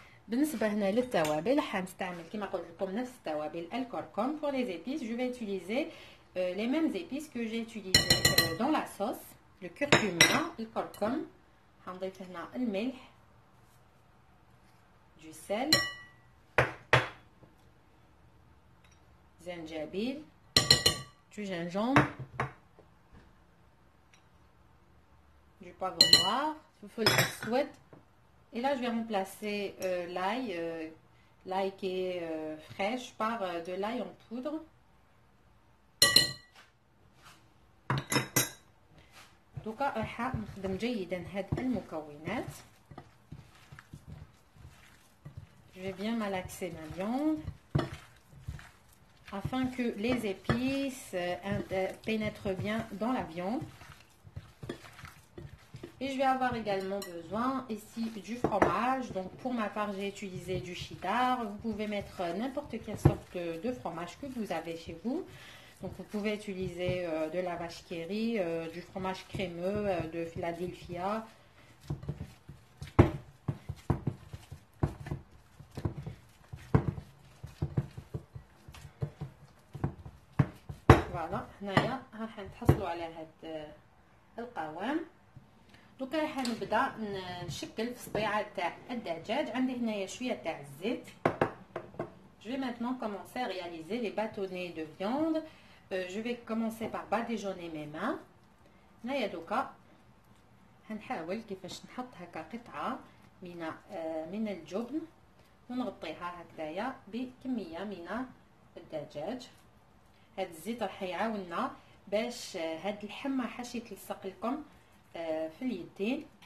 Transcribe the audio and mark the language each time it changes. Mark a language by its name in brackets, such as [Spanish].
[Arabic] بالنسبه هنا للتوابل راح نستعمل كما قلت لكم نفس التوابل الكركم. [French] بور لي زيبيس جو في اتيليزي les mêmes épices que j'ai utilisé dans la sauce, le curcuma, le curcum, le mel, du sel, le zinjabil, du gingembre, du poivre noir, du feuillet souhaite. Et là, je vais remplacer l'ail, l'ail qui est fraîche, par de l'ail en poudre. [Arabic] دوكا راح نخدم جيدا هاد المكونات. [French] جو بيان مالاكسي ما لوند afin que les épices pénètrent bien dans la viande. Et je vais avoir également besoin ici du fromage. Donc pour ma part, j'ai utilisé du cheddar. Vous pouvez mettre n'importe quelle sorte de fromage que vous avez chez vous. Donc vous pouvez utiliser de la vache qui rit, du fromage crémeux de Philadelphia. [Arabic] Voilà, هنايا راح نتحصلوا على هاد القوام. دوكا راح نبدا نشكل في الصبيعه تاع الدجاج. عندي هنايا شويه تاع الزيت. [French] Je vais maintenant commencer à réaliser les bâtonnets de viande. Je vais commencer par badigeonner mes mains. [Arabic] هنايا دوكا هنحاول كيفاش نحط هكا قطعه من الجبن ونغطيها هكذايا بكميه من الدجاج. هاد الزيت راح يعاوننا باش هاد الحمه حاش يتلصق لكم في اليدين.